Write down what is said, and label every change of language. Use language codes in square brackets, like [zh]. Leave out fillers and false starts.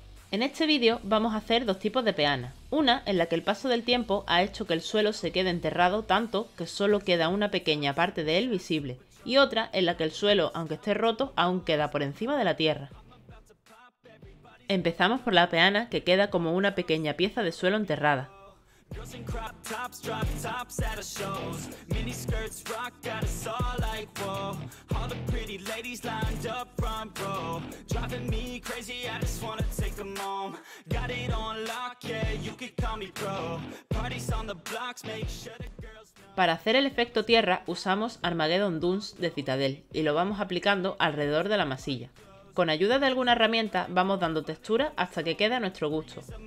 [es] En este vídeo vamos a hacer dos tipos de peana, una en la que el paso del tiempo ha hecho que el suelo se quede enterrado tanto que solo queda una pequeña parte de él visible, y otra en la que el suelo, aunque esté roto, aún queda por encima de la tierra. Empezamos por la peana, que queda como una pequeña pieza de suelo enterrada. [en] Girls in crop tops, drop tops at our shows. Mini skirts rock, got us all like, whoa. All the pretty ladies lined up front row. Driving me crazy, I just wanna take them home. Got it on lock, yeah, you can call me pro. Parties on the blocks, make sure the girls know. [es] Para hacer el efecto tierra, usamos Armageddon Dunes de Citadel y lo vamos aplicando alrededor de la masilla. Con ayuda de alguna herramienta, vamos dando textura hasta que quede a nuestro gusto.